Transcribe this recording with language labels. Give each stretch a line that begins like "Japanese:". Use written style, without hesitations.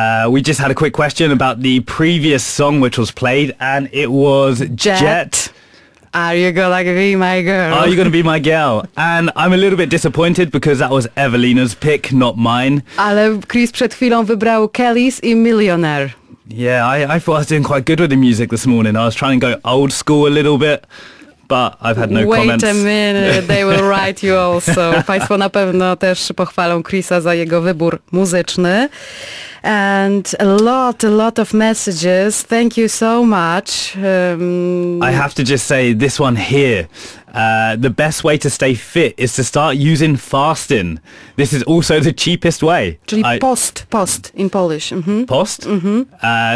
English: We just had a quick question about the previous song which was played, and it was Jet. Are you gonna be my girl? Are you gonna be my girl? And I'm a little bit disappointed because that was Evelina's pick, not mine.
Polish: Ale Chris przed chwilą wybrał Kelly's i Millionaire.
English: Yeah, I thought I was doing quite good with the music this morning. I was trying to go old school a little bit. But I've had no comments. Wait a minute, they will write you also.
Polish: Państwo na pewno też pochwalą Chrisa za jego wybór muzyczny.
English: And a lot of messages. Thank you so much. I have to just say this one here. The best way to stay fit is to start using fasting. This is also the cheapest way.
Polish: Czyli
English: post in Polish. Mm-hmm. Post? Mm-hmm.